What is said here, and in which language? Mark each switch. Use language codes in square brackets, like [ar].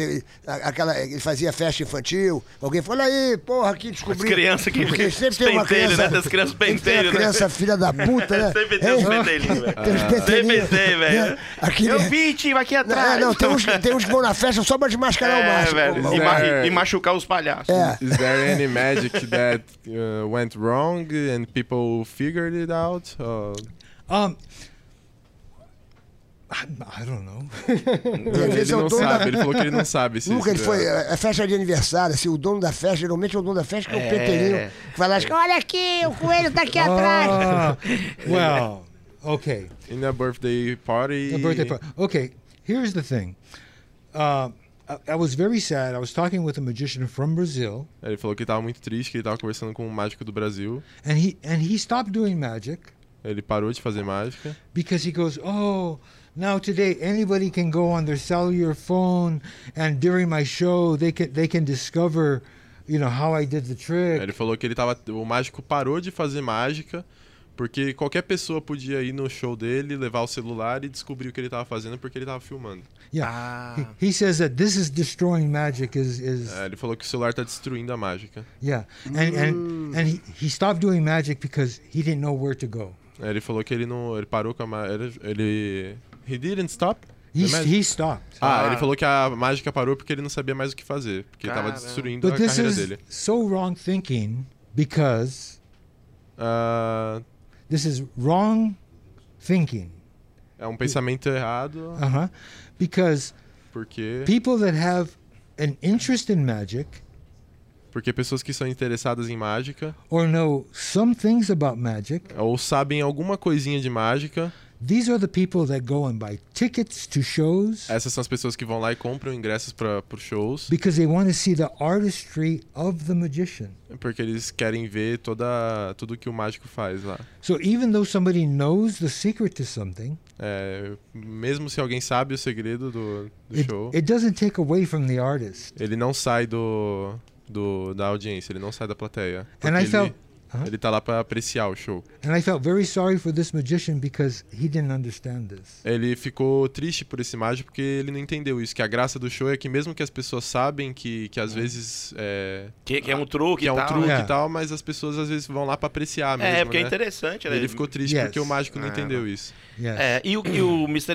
[pt] Ele fazia festa infantil. Alguém falou, olha aí, porra, aqui descobri. As crianças que... Porque sempre tem uma criança... Né? As crianças penteiras, né? Criança filha da puta, né? Sempre tem os penteirinhos, velho. Eu vi, tio, aqui atrás. Tem uns que vão na festa só pra desmascarar o máscara. E machucar os palhaços. [en] Is there any magic that went wrong and people figured it out? Or... I don't know. [pt] Ele não sabe. Ele falou que ele não sabe. Nunca, ele foi. É festa de aniversário. Assim, o dono da festa, geralmente é o dono da festa, que é o Peterinho. Que vai lá e diz: olha aqui, o coelho tá aqui atrás. [en] Well, ok. In a birthday party. A birthday party. Ok, here's the thing. I was very sad. I was talking with a magician from Brazil. [pt] Ele falou que estava muito triste, que ele estava conversando com um mágico do Brasil. [en] And he stopped doing magic. [pt] Ele parou de fazer mágica. [en] Because he goes, oh, now today anybody can go on their cellular phone and during my show they can discover, you know, how I did the trick. [pt] Ele falou que o mágico parou de fazer mágica. Porque qualquer pessoa podia ir no show dele, levar o celular e descobrir o que ele estava fazendo porque ele estava filmando. [en] Yeah. Ah. He says that this is destroying magic is... [pt] É, ele falou que o celular está destruindo a mágica. [en] Yeah. And he stopped doing magic because he didn't know where to go. [pt] É, ele falou que ele parou com a mágica. [en] He didn't stop? He stopped. [pt] Ah, ele falou que a mágica parou porque ele não sabia mais o que fazer, porque estava destruindo a carreira dele. [en] But this is so wrong thinking because... This is wrong thinking. [pt] É pensamento errado. Uh-huh. [en] Because people that have an interest in magic, [pt] porque pessoas que são interessadas em mágica, [en] or know some things about magic, [pt] ou sabem alguma coisinha de mágica, [en] these are the people that go and buy tickets to shows. [pt] Essas são as pessoas que vão lá e compram ingressos para por shows. [en] Because they want to see the artistry of the magician. [pt] Porque eles querem ver tudo que o mágico faz lá. [en] So even though somebody knows the secret to something, [pt] mesmo se alguém sabe o segredo do show, [en] it doesn't take away from the artist. [pt] Ele não sai da audiência, ele não sai da plateia. [en] And I felt [pt] uh-huh. Ele tá lá para apreciar o show. [en] And I felt very sorry for this magician because he didn't understand this. [pt] Ele ficou triste por esse mágico porque ele não entendeu isso. Que a graça do show é que mesmo que as pessoas sabem que às vezes que é um truque, que e é um tal, truque e tal, mas as pessoas às vezes vão lá para apreciar mesmo. É porque né? É interessante, né? Ele ficou triste porque o mágico não entendeu isso. [en] Yes. [pt] E o Mr.